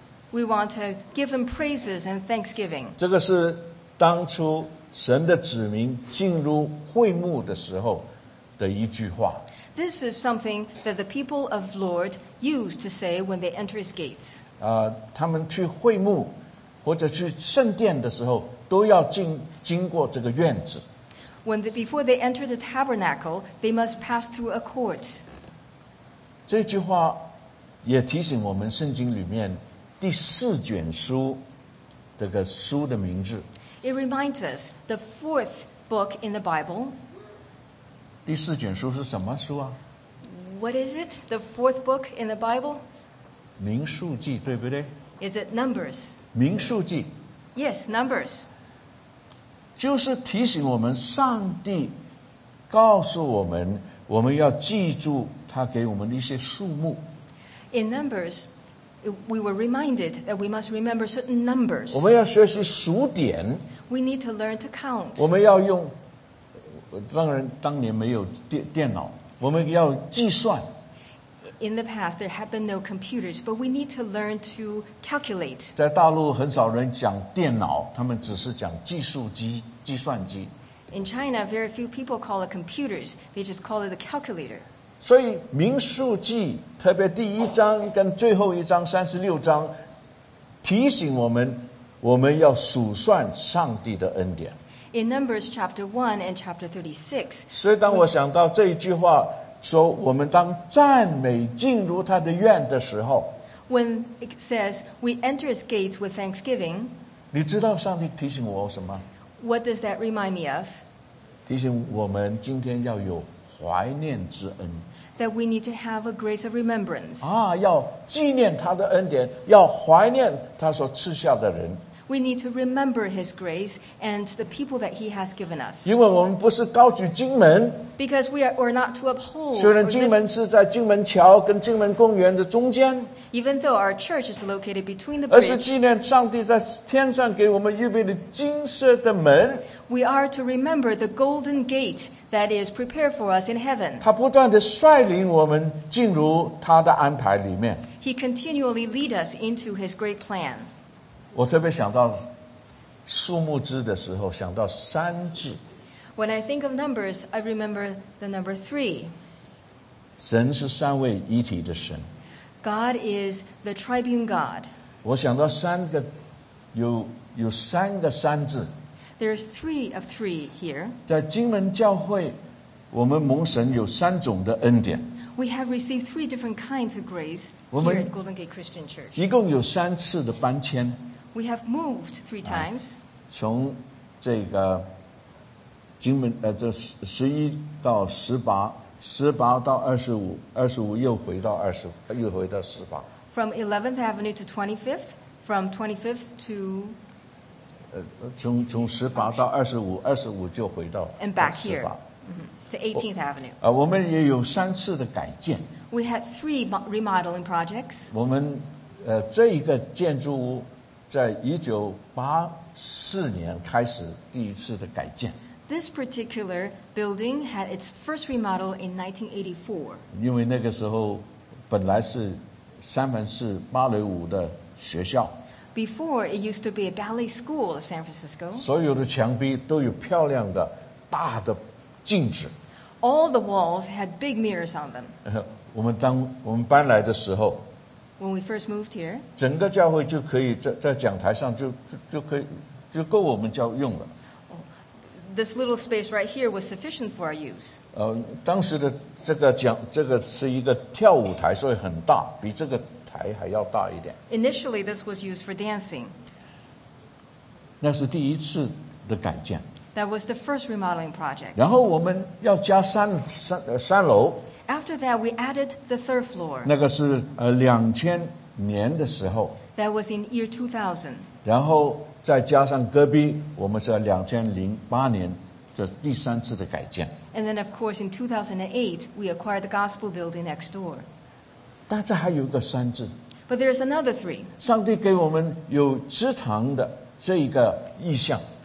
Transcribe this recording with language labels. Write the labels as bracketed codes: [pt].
[en] We want to give him praises and thanksgiving. [zh] 这个是当初神的子民进入会幕的时候的一句话。 [en] This is something that the people of Lord used to say when they enter his gates. [zh] 他们去会幕或者去圣殿的时候都要经过这个院子。 [en] Before they enter the tabernacle, they must pass through a court. [zh] 这句话也提醒我们圣经里面第四卷书这个书的名字。 [en] It reminds us the fourth book in the Bible. [zh] 第四卷书是什么书啊 [en] ？What is it? The fourth book in the Bible? [zh] 民数记对不对 [en] ？Is it Numbers? [zh] 民数记。 [en] Yes, Numbers. [zh] 就是提醒我们，上帝告诉我们，我们要记住他给我们的一些数目。 [en] In numbers, we were reminded that we must remember certain numbers. [zh] 我们要学习数点。 [en] We need to learn to count. [zh] 我们要用，当然当年没有电脑，我们要计算。 [en] In the past, there had been no computers, but we need to learn to calculate. [zh] 在大陆很少人讲电脑，他们只是讲计数机、计算机。 [en] In China, very few people call it computers. They just call it a calculator. [zh] 所以民数记特别第一章跟最后一章三十六章提醒我们，我们要数算上帝的恩典。 [en] In Numbers chapter 1 and chapter 36. [zh] 所以当我想到这一句话，说我们当赞美进入他的院的时候。 [en] When it says we enter his gates with thanksgiving. [zh] 你知道上帝提醒我什么？ [en] What does that remind me of? [zh] 提醒我们今天要有怀念之恩。 [en] That we need to have a grace of remembrance. [zh] 啊，要纪念他的恩典，要怀念他所赐下的人。 [en] We need to remember his grace and the people that he has given us. [zh] 因为我们不是高举金门。 [en] Because we're not to uphold. [zh] 虽然金门是在金门桥跟金门公园的中间。 [en] Even though our church is located between the bridge. [zh] 而是纪念上帝在天上给我们预备的金色的门。 [en] We are to remember the golden gate that is prepared for us in heaven. [zh] 他不断地率领我们进入他的安排里面。 [en] He continually lead us into his great plan. [zh] 我特别想到数目字的时候想到三字。 [en] When I think of numbers, I remember the number three. [zh] 神是三位一体的神。 [en] God is the triune God. [zh] 我想到三个有三个三字。 [en] There's three of three here. [zh] 在金门教会，我们蒙神有三种的恩典。 [en] we have received three different kinds of grace here at Golden Gate Christian Church. [zh] 一共有三次的搬迁。 [en] We have moved three times. [zh] 从这个金门这十一到十八，十八到二十五，二十五又回到二十，又回到十八。 [en] From 11th Avenue to 25th, from 25th to. [zh] 从十八到二十五，二十五就回到十八。 [en] And back here. To 18th Avenue. [zh] 我们也有三次的改建。 [en] We had three remodeling projects. [zh] 我们这一个建筑物在一九八四年开始第一次的改建。 [en] This particular building had its first remodel in 1984. [zh] 因为那个时候本来是三藩市芭蕾舞的学校。 [en] Before, it used to be a ballet school of San Francisco. [zh] 所有的墙壁都有漂亮的大的镜子。 [en] All the walls had big mirrors on them. [zh] 我们搬来的时候。 [en] When we first moved here. [zh] 整个教会就可以 在讲台上 就可以就够我们教用了。 [en] This little space right here was sufficient for our use. [zh] 当时的这个讲这个是一个跳舞台，所以很大，比这个台还要大一点。 [en] Initially, this was used for dancing. [zh] 那是第一次的改建。 [en] That was the first remodeling project. [zh] 然后我们要加三楼。 [en] After that, we added the third floor. [zh] 那个是两千年的时候。 [en] That was in year 2000. [zh] 然后。再加上隔壁，我们是2008年，这是第三次的改建。 [en] And then, of course, in 2008, we acquired the gospel building next door. [zh] 但这还有一个三次。 [en] But there's another three. [zh] 上帝给我们有祠堂的这一个意象。